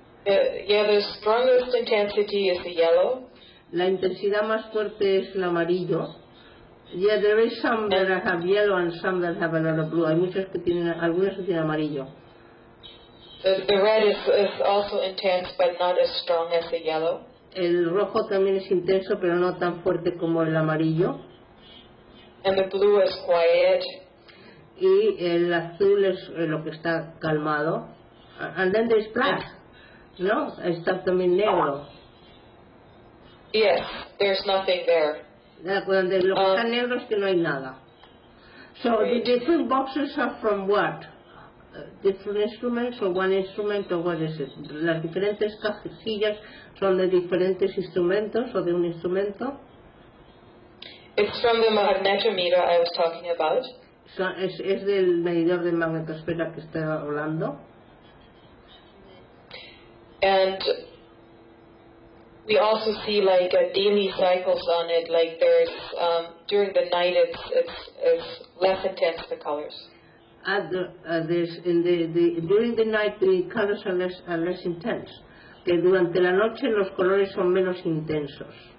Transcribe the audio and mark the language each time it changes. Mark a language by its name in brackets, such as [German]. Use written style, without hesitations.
[English] The strongest intensity is the yellow. [Spanish] La intensidad más fuerte es el amarillo. [English] Yeah, there is some that have yellow and some that have a lot of blue. [Spanish] Hay muchas que tienen, algunas que tienen amarillo. [English] The red is also intense, but not as strong as the yellow. [Spanish] El rojo también es intenso, pero no tan fuerte como el amarillo. [English] And the blue is quiet. [Spanish] Y el azul es lo que está calmado. [English] And then there's black. [Spanish] No, está también negro. [English] Yes, there's nothing there. [Spanish] De lo que está negro es que no hay nada. [English] So great. The different boxes are from what? Different instruments or one instrument or what is it? [Spanish] Las diferentes cajillas son de diferentes instrumentos o de un instrumento? [English] It's from the magnetometer I was talking about. [Spanish] So, es del medidor de magnetosfera que estaba hablando. [English] And we also see like a daily cycles on it. Like there's during the night it's less intense the colors. During the night the colors are less intense. [Spanish] Que durante la noche los colores son menos intensos.